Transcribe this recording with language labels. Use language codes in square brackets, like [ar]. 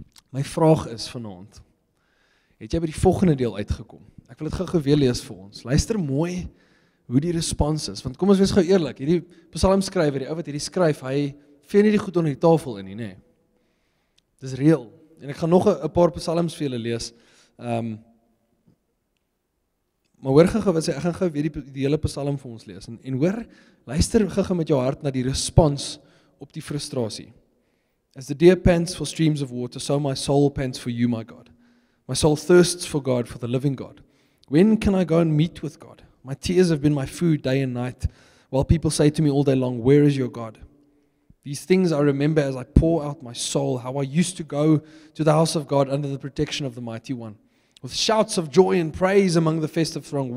[af] My vraag is vanaand, het jy by die volgende deel uitgekom? Ek wil dit gou weer lees vir ons. Luister mooi hoe die respons is, want kom ons wees gou eerlik, hierdie psalmskrywer, die ou wat hierdie skryf, hy vee nie die goed onder die tafel in nie, nê. Dis real. En ek gaan nog 'n paar psalms vir julle lees. Maar hoor gou wat sê, ek gaan gou weer die hele psalm vir ons lees en hoor, luister gou met jou hart na die respons op die frustrasie. [en] As the deer pants for streams of water, so my soul pants for you, my God. My soul thirsts for God, for the living God. When can I go and meet with God? My tears have been my food day and night, while people say to me all day long, where is your God? These things I remember as I pour out my soul, how I used to go to the house of God under the protection of the mighty one, with shouts of joy and praise among the festive throng.